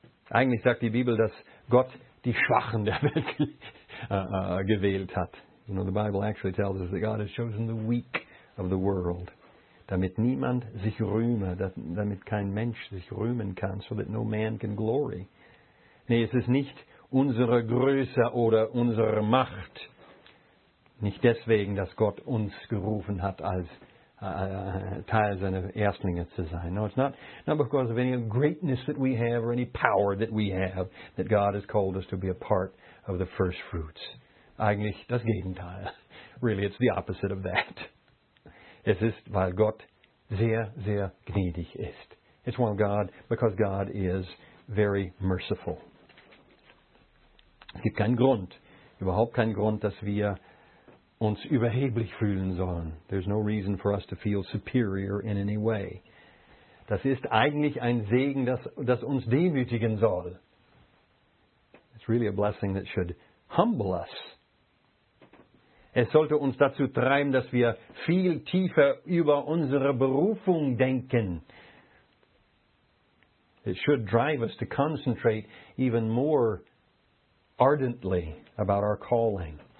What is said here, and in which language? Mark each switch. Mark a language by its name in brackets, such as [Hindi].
[German] Eigentlich sagt die Bibel, dass Gott die Schwachen der Welt gewählt hat. [English] You know, the Bible actually tells us that God has chosen the weak of the world, [German] damit niemand sich rühme, damit kein Mensch sich rühmen kann, [English] so that no man can glory. [German] Nee, es ist nicht unsere Größe oder unsere Macht, nicht deswegen, dass Gott uns gerufen hat, als Teil seiner Erstlinge zu sein. [English] No, it's not because of any greatness that we have or any power that we have that God has called us to be a part of the first fruits. [German] Eigentlich das Gegenteil. [English] Really, it's the opposite of that. [German] Es ist, weil Gott sehr, sehr gnädig ist. [English] It's one of God, because God is very merciful. [German] Es gibt keinen Grund, überhaupt keinen Grund, dass wir uns überheblich fühlen sollen. [English] There's no reason for us to feel superior in any way. [German] Das ist eigentlich ein Segen, das uns demütigen soll. [English] It's really a blessing that should humble us. [German] Es sollte uns dazu treiben, dass wir viel tiefer über unsere Berufung denken. [English] It should drive us to concentrate even more ardently about our calling.